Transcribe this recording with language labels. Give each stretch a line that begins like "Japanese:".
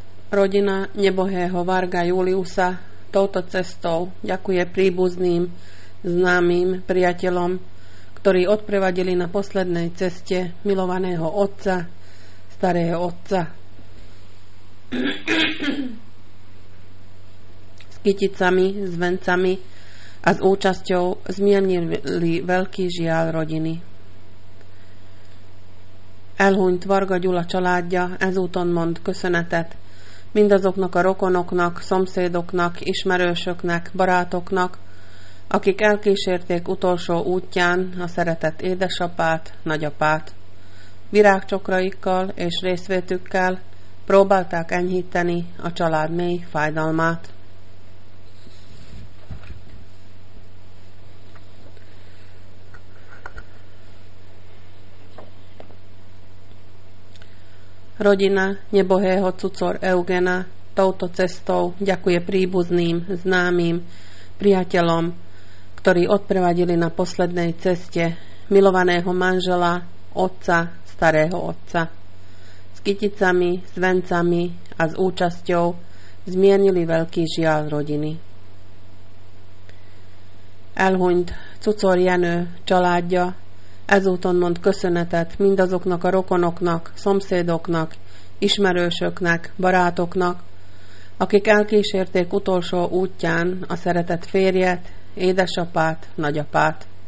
Slovak: Rodina nebohého Varga Juliusa touto cestou ďakuje príbuzným, známym, priateľom, ktorí odprevadili na poslednej ceste milovaného otca, starého otca. S kyticami, s vencami a s účasťou zmiernili veľký žiaľ rodiny.
Hungarian: Elhunyt Varga Gyula családja ezúton mond köszönetet mindazoknak a rokonoknak, szomszédoknak, ismerősöknek, barátoknak, akik elkísérték utolsó útján a szeretett édesapát, nagyapát. Virágcsokraikkal és részvétükkel próbálták enyhíteni a család mély fájdalmát.
Slovak: Rodina nebohého cucor Eugena touto cestou ďakuje príbuzným, známym, priateľom, ktorí odprevadili na poslednej ceste milovaného manžela, otca, starého otca. S kyticami, s vencami a s účasťou zmienili veľký žiaľ rodiny.
Hungarian: Elhunyt cucor Jenő családja ezúton mond köszönetet mindazoknak a rokonoknak, szomszédoknak, ismerősöknek, barátoknak, akik elkísérték utolsó útján a szeretett férjet, édesapát, nagyapát.